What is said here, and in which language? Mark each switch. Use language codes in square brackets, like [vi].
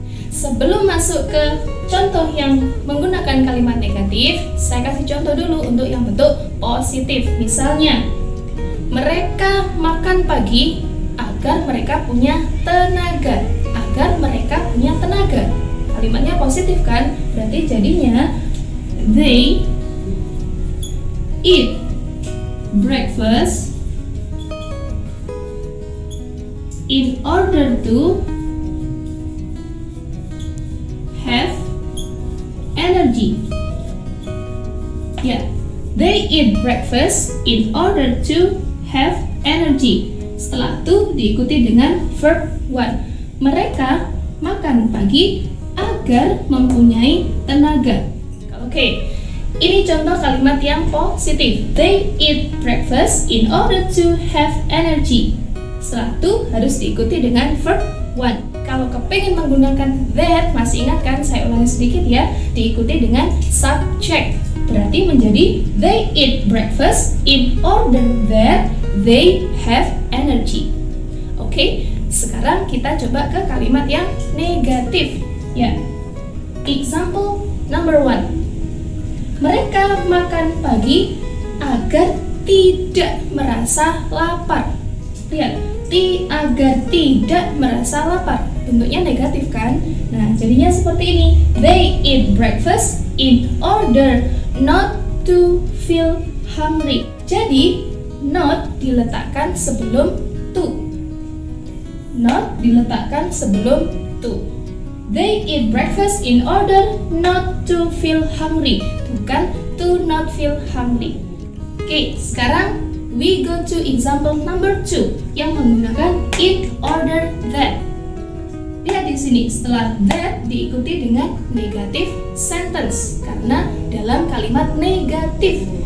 [id] Sebelum masuk ke contoh yang menggunakan kalimat negatif, saya kasih contoh dulu untuk yang bentuk positif. Misalnya, mereka makan pagi agar mereka punya tenaga. Agar mereka punya tenaga. Kalimatnya positif kan? Berarti jadinya [en] they eat breakfast in order to have energy. Ya, yeah. They eat breakfast in order to have energy. [id] Setelah itu diikuti dengan verb 1. Mereka makan pagi agar mempunyai tenaga. Oke, ini contoh kalimat yang positif. [en] They eat breakfast in order to have energy. [id] Setelah itu harus diikuti dengan verb 1. Kalau kepengen menggunakan that, masih ingat kan, saya ulangi sedikit ya. Diikuti dengan subject. Berarti menjadi [en] they eat breakfast in order that they have energy. [id] Oke, sekarang kita coba ke kalimat yang negatif. [en] Ya, example number 1. [id] Mereka makan pagi agar tidak merasa lapar. Lihat, agar tidak merasa lapar. Bentuknya negatif kan? Nah, jadinya seperti ini. [en] They eat breakfast in order not to feel hungry. [id] Jadi, not diletakkan sebelum to. Not diletakkan sebelum to. [en] They eat breakfast in order not to feel hungry. [id] Bukan [en] to not feel hungry. [id] Oke, sekarang [en] we go to example number 2 [id] yang menggunakan [en] in order that. [id] Lihat di sini, setelah that diikuti dengan negative sentence karena dalam kalimat negatif.